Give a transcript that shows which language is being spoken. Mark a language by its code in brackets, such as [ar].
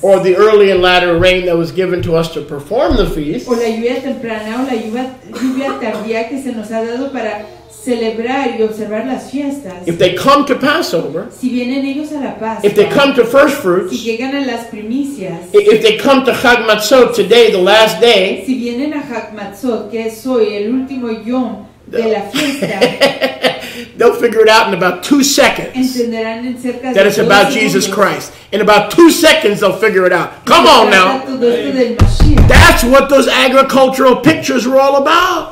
[en] or the early and latter rain that was given to us to perform the feast, [es] o la lluvia temprana o la lluvia tardía que se nos ha dado para celebrar y observar las fiestas, [en] if they come to Passover, [es] si vienen ellos a la Pascua, [en] if they come to first fruits, [es] si llegan a las primicias, [en] if they come to Chag Matzot today, the last day, [es] si vienen a Chag Matzot, que es hoy el último yom de la fiesta, [en] they'll figure it out in about 2 seconds that it's about Jesus Christ. In about 2 seconds they'll figure it out. Come on now. That's what those agricultural pictures were all about.